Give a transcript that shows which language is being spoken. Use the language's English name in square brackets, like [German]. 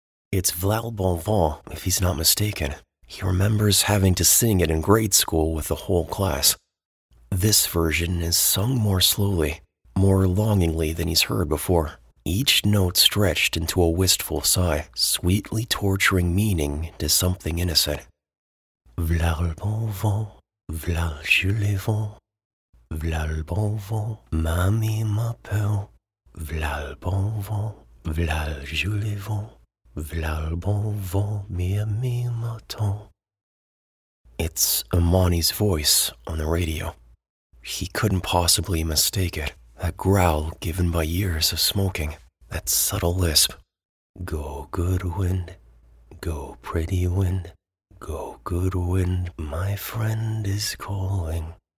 [English] It's V'là bon vent, if he's not mistaken. He remembers having to sing it in grade school with the whole class. This version is sung more slowly, more longingly than he's heard before, each note stretched into a wistful sigh, sweetly torturing meaning to something innocent. [French] V'là le bon vent, v'là le joli vent, v'là le bon vent, mamie m'appelle. V'là le bon vent, v'là le joli vent, v'là le bon vent, mamie m'attend. [English] It's Imani's voice on the radio. He couldn't possibly mistake it. That growl given by years of smoking, that subtle lisp. Go good wind, go pretty wind, go good wind, my friend is calling.